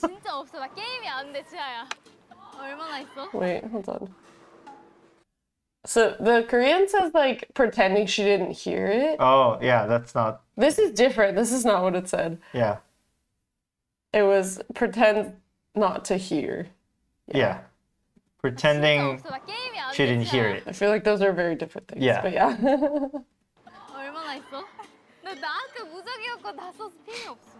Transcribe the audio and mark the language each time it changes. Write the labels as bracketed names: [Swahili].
[Korean] 진짜 없어. 나 게임이 안 돼, 지아야. 얼마나 있어? [English] Wait, hold on. So the Korean says like pretending she didn't hear it. Oh, yeah, that's not... This is different. This is not what it said. Yeah. It was pretend not to hear. Yeah. Yeah. Pretending she didn't hear it. I feel like those are very different things. Yeah. But yeah. [Korean] 얼마나 있어? 나 나한테 무적이었고 나 써서 핀이 없어.